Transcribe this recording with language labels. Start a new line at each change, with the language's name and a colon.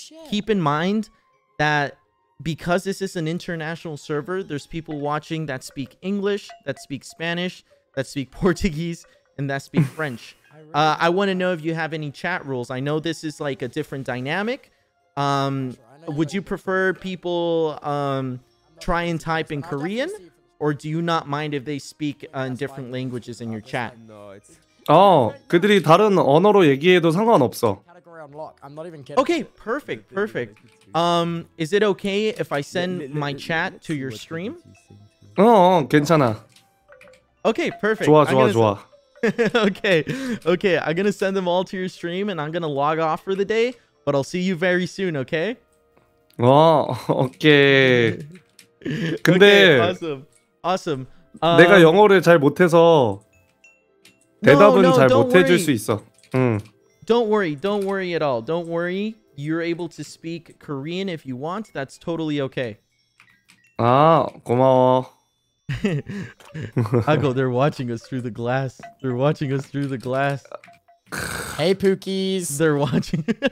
English: Keep in mind that because this is an international server, there's people watching that speak English, that speak Spanish, that speak Portuguese, and that speak French. I want to know if you have any chat rules. I know this is like a different dynamic. Would you prefer people try and type in Korean? Or do you not mind if they speak in different languages in your chat?
Korean: Oh, 그들이 다른 언어로 얘기해도 상관없어.
English: Okay, perfect. Is it okay if I send my chat to your stream?
Korean: Oh, 괜찮아.
English: Okay, perfect.
Korean: 좋아.
English: Okay. I'm gonna send them all to your stream, and I'm gonna log off for the day. But I'll see you very soon, okay? Oh, okay. 근데 Awesome.
Korean: 내가 영어를 잘 못해서 대답은 잘 못해줄 수 있어.
English: Don't worry at all. Don't worry. You're able to speak Korean if you want. That's totally okay.
Korean: 아, 고마워.
English: Ago, they're watching us through the glass. Hey, Pookies. They're watching.